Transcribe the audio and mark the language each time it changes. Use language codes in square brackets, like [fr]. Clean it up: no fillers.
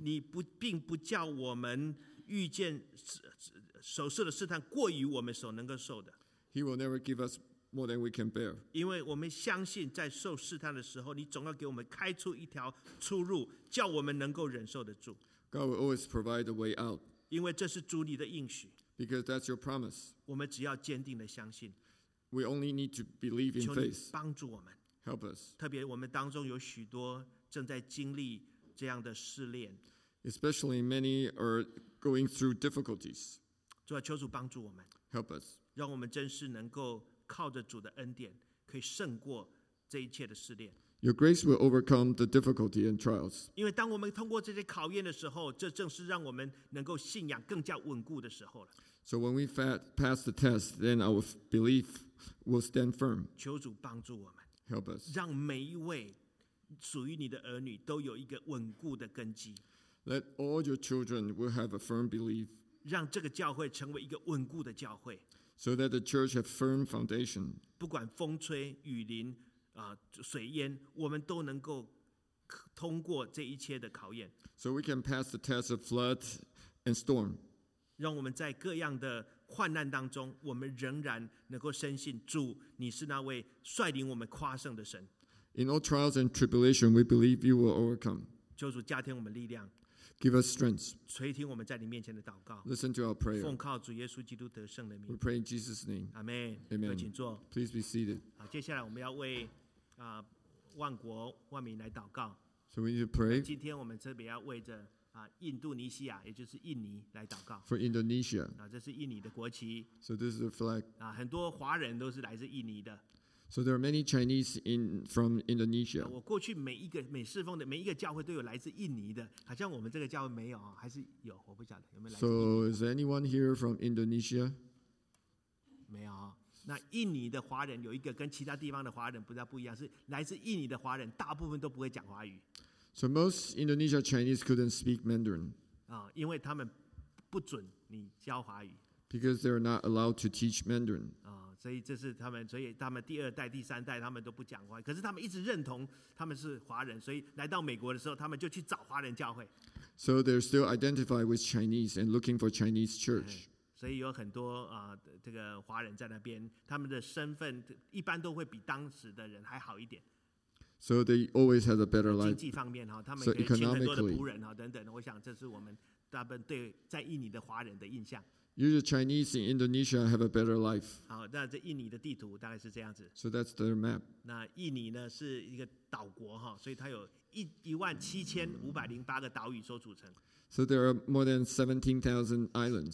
[zh] 你不并不叫我们遇见所受的试探过于我们所能够受的。 [en] He will never give us more than we can bear. [zh] 因为我们相信，在受试探的时候，你总要给我们开出一条出路，叫我们能够忍受得住。 [en] God will always provide a way out. [zh] 因为这是主你的应许。 [en] Because that's your promise. [zh] 我们只要坚定的相信。 [en] We only need to believe in faith. [zh] 求你帮助我们。 [en] Help us. [zh] 特别我们当中有许多正在经历这样的试炼。 [en] Especially many are going through difficulties. [zh] 主啊，求主帮助我们。 [en] Help us. [zh] 让我们真是能够靠着主的恩典，可以胜过这一切的试炼。 [en] Your grace will overcome the difficulty and trials. [zh] 因为当我们通过这些考验的时候，这正是让我们能够信仰更加稳固的时候了。 [en] So when we pass the test, then our belief will stand firm. [zh] 求主帮助我们。 [en] Help us. [zh] 让每一位属于你的儿女都有一个稳固的根基。 [en] Let all your children will have a firm belief. [zh] 让这个教会成为一个稳固的教会。 [en] So that the church have firm foundation. [zh] 不管风吹雨淋水淹，我们都能够通过这一切的考验。 [en] So we can pass the test of flood and storm. [zh] 让我们在各样的患难当中，我们仍然能够深信主，你是那位率领我们跨胜的神。 [en] In all trials and tribulation, we believe you will overcome. [zh] 求主加添我们力量。 [en] Give us strength. [zh] 垂听我们在你面前的祷告。 [en] Listen to our prayer. [zh] 奉靠主耶稣基督得胜的名。 [en] We pray in Jesus' name. Amen. Amen. [zh] 请坐。 [en] Please be seated. [zh] 好，接下来我们要为万国万民来祷告。 [en] So we need to pray. [zh] 今天我们特别要为着印度尼西亚，也就是印尼来祷告。 [en] For Indonesia. [zh] 这是印尼的国旗。 [en] So this is a flag. [zh] 很多华人都是来自印尼的。 [en] So there are many Chinese from Indonesia. [zh] 我过去每侍奉的每一个教会都有来自印尼的，好像我们这个教会没有，还是有，我不晓得有没有来自印尼。 [en] So is anyone here from Indonesia? [zh] 没有。那印尼的华人有一个跟其他地方的华人不太不一样，是来自印尼的华人大部分都不会讲华语。 [en] So most Indonesia Chinese couldn't speak Mandarin. [zh] 因为他们不准你教华语。 [en] Because they're not allowed to teach Mandarin. [zh] 所以这是他们，所以他们第二代、第三代，他们都不讲华语。可是他们一直认同他们是华人，所以来到美国的时候，他们就去找华人教会。 [en] So they're still identified with Chinese and looking for Chinese church. [zh] 所以有很多这个华人在那边，他们的身份一般都会比当时的人还好一点。 [en] So they always have a better life. [zh] 经济方面他们可以请很多的仆人等等。我想这是我们大部分对在印尼的华人的印象。 [en] Usually Chinese in Indonesia have a better life. [zh] 好，那这印尼的地图大概是这样子。 [en] So that's their map. [zh] 那印尼呢是一个岛国，所以它有17,508个岛屿所组成。 [en] So there are more than 17,000 islands.